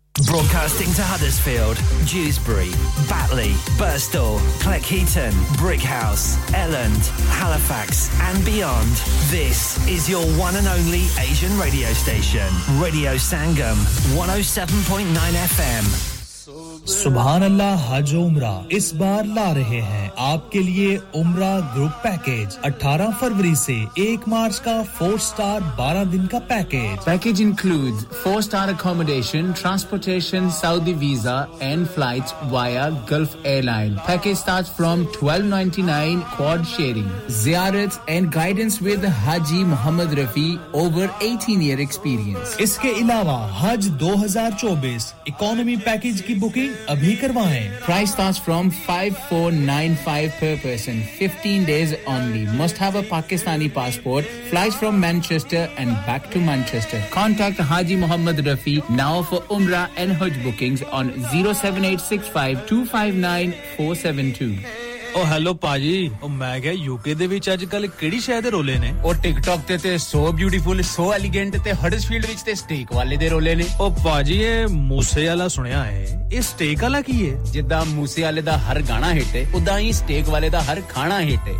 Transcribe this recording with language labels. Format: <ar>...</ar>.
<en>Broadcasting to Huddersfield, Dewsbury, Batley, Birstall, Cleckheaton, Brickhouse, Elland, Halifax and beyond. This is your one and only Asian radio station. Radio Sangam, 107.9 FM.</en> <hi>सुभानअल्लाह हज उमरा इस बार ला रहे हैं आपके लिए उमरा ग्रुप पैकेज 18 फरवरी से 1 मार्च का 4 स्टार 12 दिन का package</hi> <en>package includes 4 star accommodation transportation Saudi visa and flights via Gulf airline package starts from 1299 quad sharing ज़ियारत and guidance with Haji Mohammad Rafi over 18 year experience</en> <hi>इसके अलावा हज 2024 इकॉनमी पैकेज की बुकिंग अभी करवाएं</hi> <en>price starts from 5495 per person 15 days only must have a Pakistani passport flies from Manchester and back to Manchester contact Haji Mohammad Rafi now for Umrah and Hajj bookings on 0786525947 2</en> <pa>O hello ਪਾਜੀ ਓ ਮੈਂ ਗਿਆ ਯੂਕੇ ਦੇ ਵਿੱਚ ਅੱਜ ਕੱਲ ਕਿਹੜੀ ਸ਼ਹਿਰ ਦੇ ਰੋਲੇ ਨੇ ਓ ਟਿਕਟੋਕ ਤੇ</pa> <en>so beautiful so elegant</en> <pa>ਤੇ ਹਡਸਫੀਲਡ ਵਿੱਚ ਤੇ ਸਟੇਕ ਵਾਲੇ ਦੇ ਰੋਲੇ ਨੇ ਓ ਪਾਜੀ ਇਹ ਮੂਸੇ ਵਾਲਾ ਸੁਣਿਆ ਹੈ ਇਹ ਸਟੇਕ ਵਾਲਾ ਕੀ ਹੈ ਜਿੱਦਾਂ ਮੂਸੇ ਵਾਲੇ ਦਾ ਹਰ ਗਾਣਾ ਹਿੱਟ ਹੈ ਉਦਾਂ ਹੀ ਸਟੇਕ ਵਾਲੇ ਦਾ ਹਰ ਖਾਣਾ ਹਿੱਟ ਹੈ</pa>